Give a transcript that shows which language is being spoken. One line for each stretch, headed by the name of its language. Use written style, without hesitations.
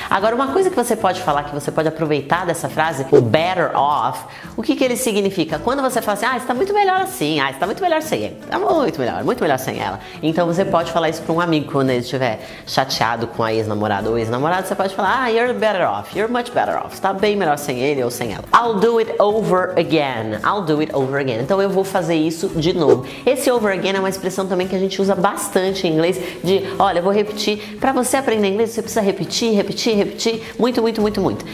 Portuguese: Agora, uma coisa que você pode falar, que você pode aproveitar dessa frase, o better off, o que que ele significa? Quando você fala assim, ah, está muito melhor assim, ah, está muito melhor sem ele, está muito melhor sem ela. Então, você pode falar isso para um amigo quando ele estiver chateado com a ex-namorada ou ex-namorado, você pode falar, ah,
English: you're better off, you're much better off,
Portuguese: está bem melhor sem ele ou sem ela.
English: I'll do it over again, I'll do it over again.
Portuguese: Então, eu vou fazer isso de novo. Esse over again é uma expressão também que a gente usa bastante em inglês, de, olha, eu vou repetir, para você aprender inglês, você precisa repetir, repetir, repetir muito, muito, muito, muito.